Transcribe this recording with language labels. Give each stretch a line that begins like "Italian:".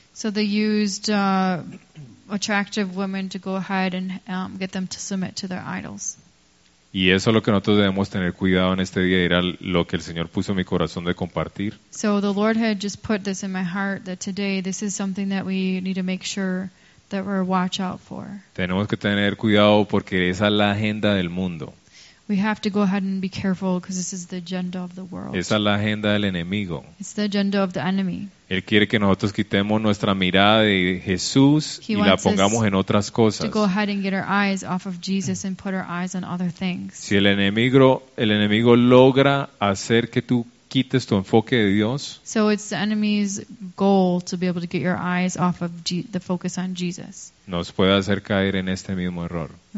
English: So they used attractive women to go ahead and get them to submit to their idols.
Spanish: Y eso es lo que nosotros debemos tener cuidado en este día, era lo que el Señor puso en mi corazón de compartir.
English: So the Lord had just put this in my heart that today this is something that we need to make sure that we're watch out for.
Spanish: Tenemos que tener cuidado porque esa es la agenda del mundo.
English: We have to go ahead and be careful because this is the agenda of the world.
Spanish: Esa es la agenda del enemigo.
English: It's the agenda of the enemy.
Spanish: Él quiere que nosotros quitemos nuestra mirada de Jesús y la pongamos en otras cosas.
English: To go ahead and get our eyes off of Jesus and put our eyes on other things.
Spanish: Si el enemigo logra hacer que tú quites tu enfoque de Dios.
English: So it's the enemy's goal to be able to get your eyes off of the focus on Jesus.
Spanish: Nos puede hacer caer en este mismo error.